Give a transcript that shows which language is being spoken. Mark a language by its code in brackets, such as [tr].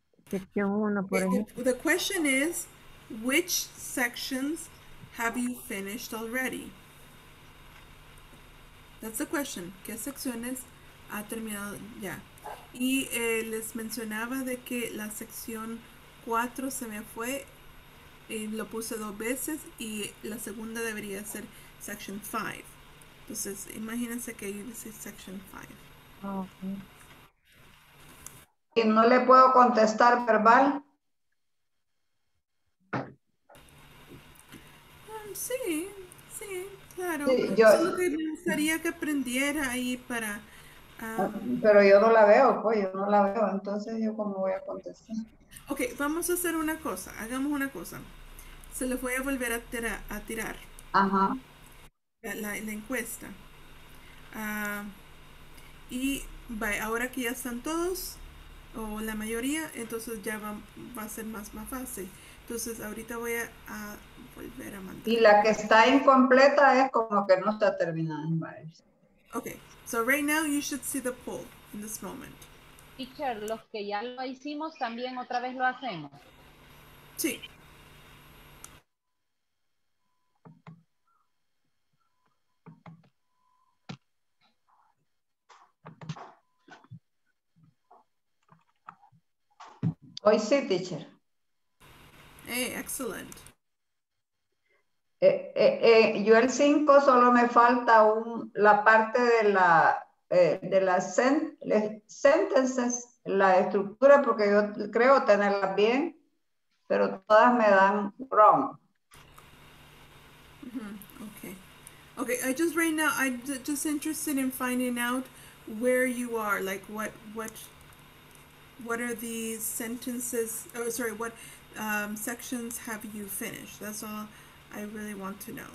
[en] The question is, which sections have you finished already? That's the question. [es] ¿Qué secciones ha terminado ya? Y les mencionaba de que la sección 4 se me fue. Lo puse dos veces y la segunda debería ser [en] section 5. [es] Entonces, imagínense que ahí dice [en] section 5. Oh, okay. [es] Y no le puedo contestar verbal. Sí, claro. Sí, solo que me gustaría que aprendiera ahí para. Pero yo no la veo, pues yo no la veo. Entonces, ¿yo cómo voy a contestar? Ok, vamos a hacer una cosa. Hagamos una cosa. Se los voy a volver a tirar. Ajá. La encuesta. Y bye, ahora que ya están todos. O la mayoría, entonces ya va a ser más fácil. Entonces ahorita voy a volver a mandar. Y la que está incompleta es como que no está terminada. [en] Okay, so right now you should see the poll in this moment. [es] Teacher, los que ya lo hicimos también otra vez lo hacemos. Sí. Hoy sí, teacher. [en] Hey, excellent. [es] Yo el 5 solo me falta la parte de las sentences, la estructura, porque yo creo tenerla bien, pero todas me dan wrong. [en] Mm-hmm. Okay. Okay, I just right now I'm just interested in finding out where you are, like what are the sentences, oh sorry, what sections have you finished? That's all I really want to know.